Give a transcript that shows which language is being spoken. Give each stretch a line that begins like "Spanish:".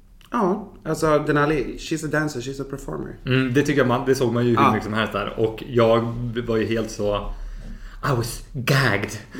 Swedish: Ja, alltså
English: Denali, she's a dancer, she's a performer.
Swedish: Mm, det tycker jag, det såg man ju hur mycket som helst där. Och jag var ju helt så,
English: I was gagged.